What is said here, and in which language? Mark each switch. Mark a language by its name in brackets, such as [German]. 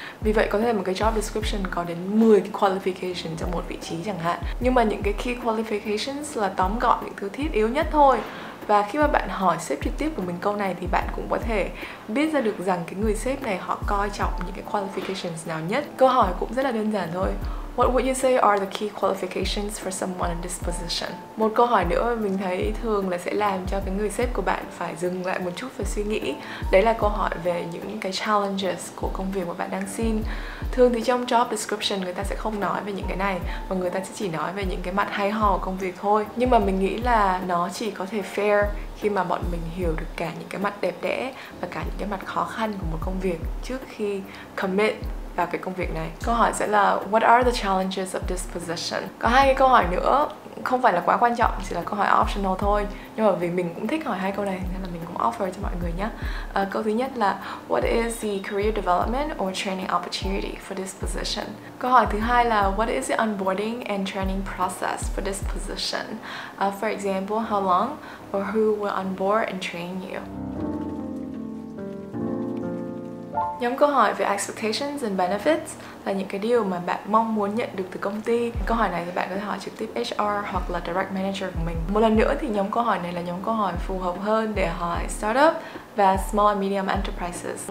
[Vietnamese] Vì vậy có thể một cái job description có đến 10 qualification cho một vị trí chẳng hạn. Nhưng mà những cái key qualifications là tóm gọn những thứ thiết yếu nhất thôi. Và khi mà bạn hỏi sếp trực tiếp của mình câu này thì bạn cũng có thể biết ra được rằng cái người sếp này họ coi trọng những cái qualifications nào nhất. Câu hỏi cũng rất là đơn giản thôi. [English] What would you say are the key qualifications for someone in this position? [Vietnamese] Một câu hỏi nữa mà mình thấy thường là sẽ làm cho cái người sếp của bạn phải dừng lại một chút và suy nghĩ. Đấy là câu hỏi về những cái challenges của công việc mà bạn đang xin. Thường thì trong job description người ta sẽ không nói về những cái này mà người ta sẽ chỉ nói về những cái mặt hay ho của công việc thôi. Nhưng mà mình nghĩ là nó chỉ có thể fair khi mà bọn mình hiểu được cả những cái mặt đẹp đẽ và cả những cái mặt khó khăn của một công việc trước khi commit vào cái công việc này. Câu hỏi sẽ là [English] What are the challenges of this position? [Vietnamese] Có hai cái câu hỏi nữa, không phải là quá quan trọng, chỉ là câu hỏi optional thôi. Nhưng mà vì mình cũng thích hỏi hai câu này nên là mình cũng offer cho mọi người nhé. Câu thứ nhất là [English] What is the career development or training opportunity for this position? [Vietnamese] Câu hỏi thứ hai là [English] What is the onboarding and training process for this position? For example, how long or who will onboard and train you? [Vietnamese] Nhóm câu hỏi về [English] expectations and benefits [Vietnamese] là những cái điều mà bạn mong muốn nhận được từ công ty. Câu hỏi này thì bạn có thể hỏi trực tiếp HR hoặc là [English] direct manager [Vietnamese] của mình. Một lần nữa thì nhóm câu hỏi này là nhóm câu hỏi phù hợp hơn để hỏi startup và [English] small and medium enterprises.